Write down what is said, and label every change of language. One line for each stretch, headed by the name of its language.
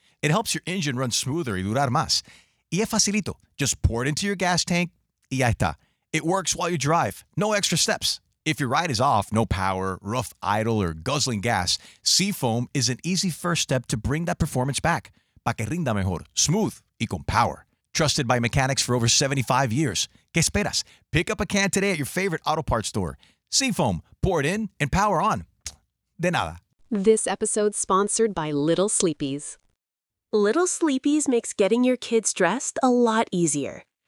English: It helps your engine run smoother
Spanish: y durar más. Y es facilito.
English: Just pour it into your gas tank
Spanish: y ya está.
English: It works while you drive. No extra steps. If your ride is off, no power, rough idle, or guzzling gas, Seafoam is an easy first step to bring that performance back.
Spanish: Pa' que rinda mejor, smooth, y con power.
English: Trusted by mechanics for over 75 years.
Spanish: ¿Qué esperas?
English: Pick up a can today at your favorite auto parts store. Seafoam, pour it in and power on.
Spanish: De nada.
English: This episode's sponsored by Little Sleepies. Little Sleepies makes getting your kids dressed a lot easier.